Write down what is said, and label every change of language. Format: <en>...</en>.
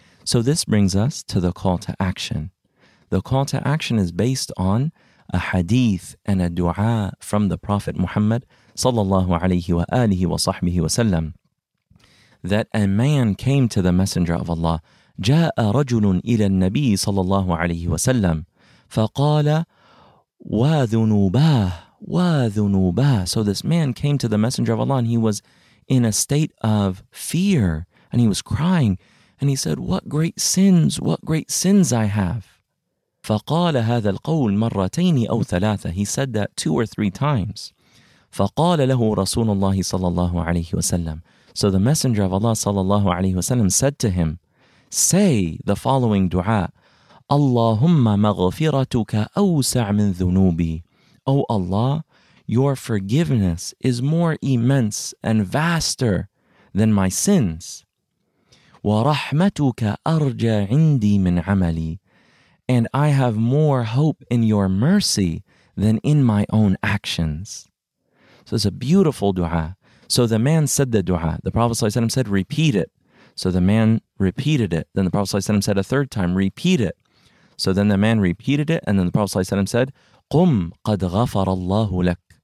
<en>So this brings us to the call to action. The call to action is based on a hadith and a dua from the Prophet Muhammad sallallahu alayhi wa alihi wa sahbihi wa sallam, that a man came to the Messenger of Allah.</en> <ar>جاء رجل إلى النبي صلى الله عليه وسلم فقال وذنوباه وذنوباه.</ar> <en>So this man came to the Messenger of Allah and he was in a state of fear and he was crying and he said, what great sins I have.</en> <ar>فقال هذا القول مرتين أو ثلاثة.</ar> <en>He said that two or three times.</en> <ar>فقال له رسول الله صلى الله عليه وسلم.</ar> <en>So the Messenger of Allah sallallahu alayhi wa sallam said to him, say the following dua,</en> <ar>اللهم مغفرتك أوسع من ذنوبي.</ar> <en>O Allah, your forgiveness is more immense and vaster than my sins.</en> <ar>ورحمتك أرجى عندي من عملي.</ar> <en>And I have more hope in your mercy than in my own actions. So it's a beautiful dua. So the man said the dua. The Prophet ﷺ said, repeat it. So the man repeated it. Then the Prophet ﷺ said a third time, repeat it. So then the man repeated it. And then the Prophet ﷺ said,</en> <ar>قُمْ قَدْ غَفَرَ اللَّهُ لَكَ.</ar>